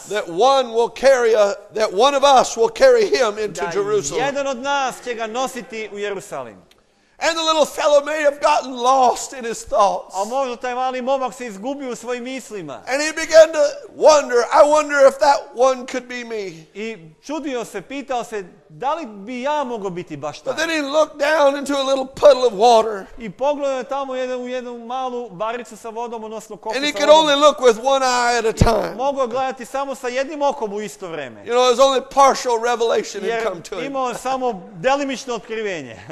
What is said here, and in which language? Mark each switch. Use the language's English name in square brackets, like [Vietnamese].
[English] That one will carry a, that one of us will carry him into [Serbian] da [English] Jerusalem. [Serbian] Jedan od nas će ga nositi u Jerusalim. [English] And the little fellow may have gotten lost in his thoughts. [Serbian] A možda taj mali momak se izgubio u svojim mislima. [English] And he began to wonder, I wonder if that one could be me. [Serbian] I čudio se, pitao se, da li bi ja mogao biti baš taj. [English] But then he looked down into a little puddle of water. [Serbian] I pogledao tamo jednu malu baricu sa vodom, odnosno koku. [English] And he could only look with one eye at a time. [Serbian] Mogao gledati samo sa jednim okom u isto vreme. [English] You know, it was only partial revelation had come to him. [Serbian] Imao samo delimično otkrivenje.